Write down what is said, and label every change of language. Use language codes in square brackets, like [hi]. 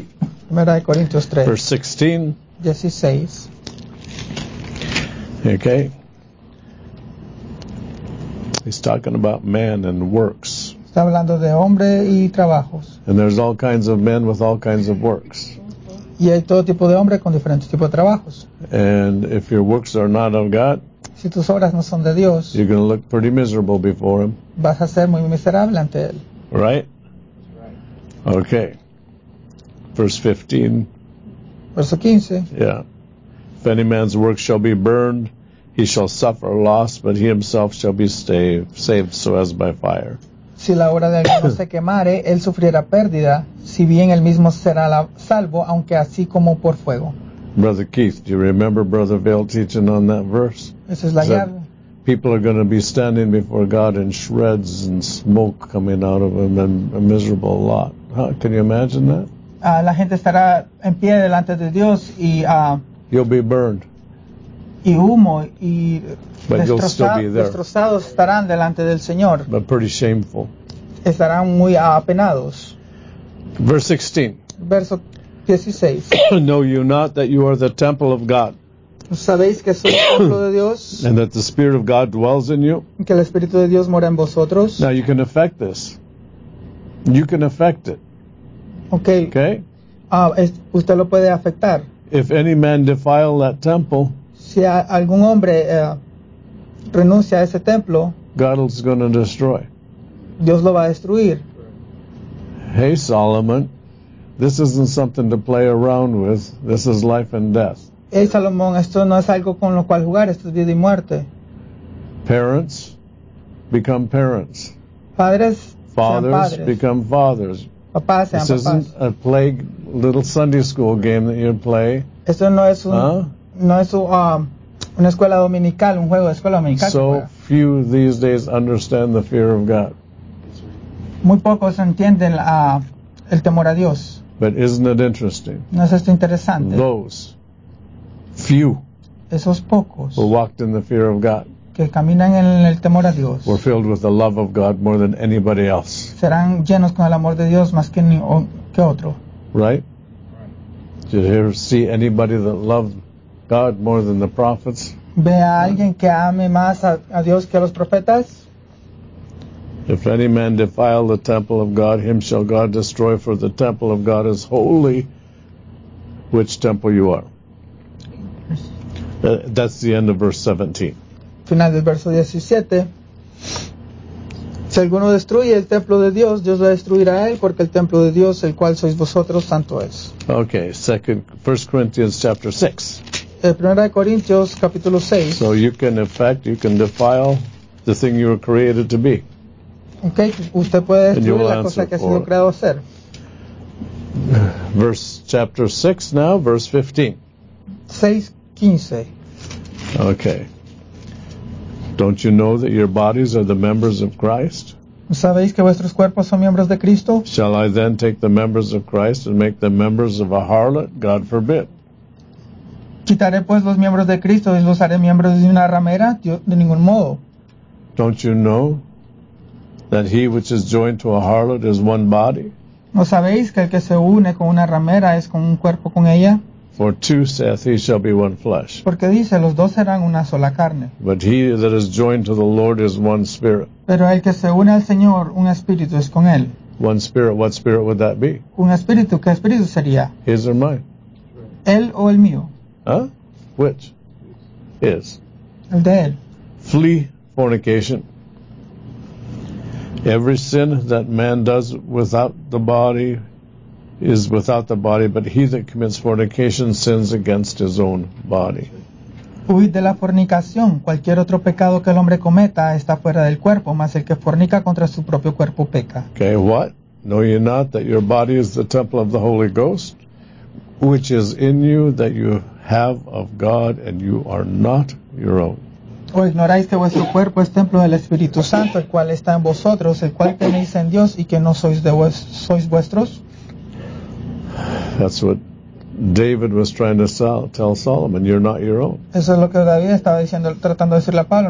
[es] 1 Corintios 3. [en] Verse 16. 16. Okay. He's talking about man and works. [es] Está hablando de hombre y trabajos. [en] And there's all kinds of men with all kinds of works. [es] Y hay todo tipo de hombre con diferentes tipos de trabajos. [en] And if your works are not of God, [es] si tus obras no son de Dios, [en] you're going to look pretty miserable before him. [es] Vas a ser muy miserable ante él. [en] Right? Okay. Verse 15. [es] Verso 15. [en] Yeah. If any man's work shall be burned, he shall suffer loss, but he himself shall be saved so as by fire. [es] Si la obra de alguno se quemare, él sufrirá pérdida, si bien él mismo será salvo, aunque así como por fuego. [en] Brother Keith, do you remember Brother Vail teaching on that verse? [es] Esa es la llave. [en] People are going to be standing before God in shreds and smoke coming out of them and a miserable lot. Huh? Can you imagine that? [es] La gente estará en pie delante de Dios y... [en] You'll be burned. [es] Y humo y [en] but you'll still be there. [es] Destrozados estarán delante del Señor. [en] But pretty shameful. [es] Estarán muy apenados. [en] Verse 16. [es] Verso 16. [en] Know you not that you are the temple of God? [es] ¿Sabéis que sois templo de Dios? [en] And that the Spirit of God dwells in you? [es] Que el Espíritu de Dios mora en vosotros. [en] Now you can affect this. You can affect it. Okay. Okay. [es] Usted lo puede afectar. [en] If any man defile that temple, [es] si algún hombre renuncia a ese templo, [en] God's going to destroy. [es] Dios lo va a destruir. [en] Hey Solomon, this isn't something to play around with. This is life and death. [es] Hey Salomón, esto no es algo con lo cual jugar. Esto es vida y muerte. [en] Parents become parents. [es] Padres. [en] Fathers become fathers. [es] Papás sean papás. [en] This isn't a plague little Sunday school game that you play. [es] Esto no es un, no es una escuela dominical, un juego de escuela dominical. [en] So few these days understand the fear of God. [es] Muy pocos entienden el temor a Dios. [en] But isn't it interesting? [es] ¿No es esto interesante? [en] Those few. [es] Esos pocos. [en] Who walked in the fear of God. [es] Que caminan en el temor a Dios. [en] Were filled with the love of God more than anybody else. [es] Serán llenos con el amor de Dios más que otro. [en] Right? Did you ever see anybody that loved God more than the prophets? [es] Ve a alguien que ame más a Dios que a los profetas. [en] If any man defile the temple of God, him shall God destroy, for the temple of God is holy. Which temple you are? That's the end of verse 17. [es] Final del verso 17. Si alguno destruye el templo de Dios, Dios lo destruirá a él, porque el templo de Dios, el cual sois vosotros, santo es. [en] Okay, 1 Corinthians chapter 6. [es] 1 Corintios capítulo 6. [en] So you can affect, you can defile the thing you were created to be. [es] Okay, usted puede destruir la cosa que ha sido creado a ser. [en] Verse chapter 6 now, verse 15. [es] 6:15. [en] Okay. Don't you know that your bodies are the members of Christ? [es] ¿Sabéis que vuestros cuerpos son miembros de Cristo? [en] Shall I then take the members of Christ and make them members of a harlot? God forbid. [es] ¿Quitaré pues los miembros de Cristo y los haré miembros de una ramera? De ningún modo. [en] Don't you know that he which is joined to a harlot is one body? [es] ¿No sabéis que el que se une con una ramera es con un cuerpo con ella? [en] For two saith he shall be one flesh. [es] Porque dice, los dos serán una sola carne. [en] But he that is joined to the Lord is one spirit. [es] Pero el que se une al Señor, un espíritu es con él. [en] One spirit, what spirit would that be? [es] Un espíritu, ¿qué espíritu sería? [en] His or mine? [es] Él o el mío. [en] Huh? Which? His. [es] El de él. [en] Flee fornication. Every sin that man does without the body is without the body, but he that commits fornication sins against his own body. [es] Huid de la fornicación. Cualquier otro pecado que el hombre cometa está fuera del cuerpo, mas el que fornica contra su propio cuerpo peca. [en] Okay, what? Know ye not that your body is the temple of the Holy Ghost, which is in you, that you have of God, and you are not your own? [es] ¿O ignoráis que vuestro cuerpo es templo del Espíritu Santo, el cual está en vosotros, el cual tenéis en Dios, y que no sois de sois vuestros? [en] That's what David was trying to tell Solomon. You're not your own. [es] Eso es lo que David estaba diciendo, tratando de decirle a Pablo.